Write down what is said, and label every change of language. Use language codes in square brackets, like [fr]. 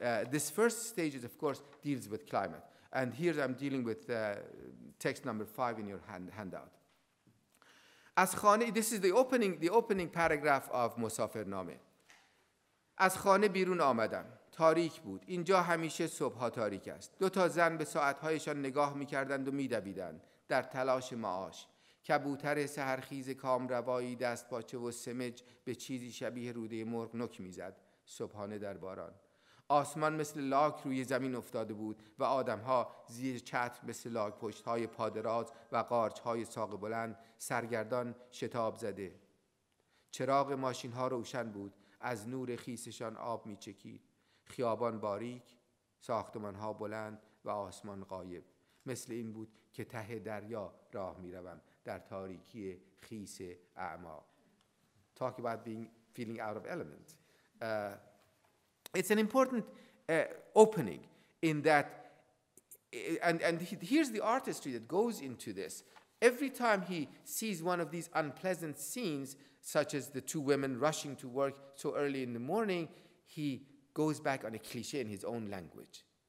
[en] This first stage is, of course, deals with climate. And here I'm dealing with text number 5 in your handout. As khane, this is the opening paragraph of Musafirname. [fa] از خانه بیرون آمدم. تاریک بود. اینجا همیشه صبح‌ها تاریک است. دو تا زن به ساعت‌هایشان نگاه می‌کردند و می‌دویدند در تلاش معاش. کبوتر سحرخیز کامروایی دست پاچه و سمج به چیزی شبیه روده مرغ نک می‌زد. صبحانه در باران. آسمان مثل لاک روی زمین افتاده بود و آدم‌ها زیر چتر مثل لاک پشت‌های پادراز و قارچ‌های ساق بلند سرگردان شتاب زده. چراغ ماشین‌ها روشن بود. از نور خیسشان آب می چکید. خیابان باریک، ساختمان‌ها بلند و آسمان غایب. مثل این بود که ته دریا راه می روم در تاریکی خیس اعماق. [en] Talk about being feeling out of element. It's an important opening in that, and here's the artistry that goes into this. Every time he sees one of these unpleasant scenes, such as the two women rushing to work so early in the morning, he goes back on a cliche in his own language.